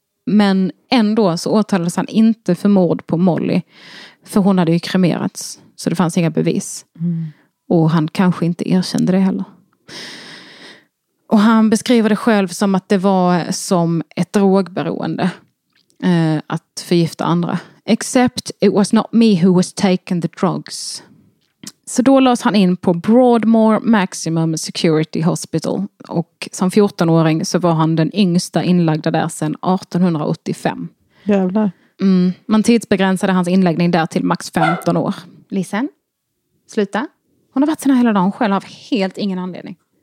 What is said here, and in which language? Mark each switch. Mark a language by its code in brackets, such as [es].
[sv] Men ändå så åtalades han inte för mord på Molly. För hon hade ju kremerats. Så det fanns inga bevis. Mm. Och han kanske inte erkände det heller. Och han beskriver det själv som att det var som ett drogberoende att förgifta andra. [en] Except it was not me who was taking the drugs. [sv] Så då lades han in på Broadmoor Maximum Security Hospital. Och som 14-åring så var han den yngsta inlagda där sedan 1885. Jävlar. Mm. Man tidsbegränsade hans inläggning där till max 15 år. Lisen, sluta. Hon har varit sina hela dagen själv av helt ingen anledning.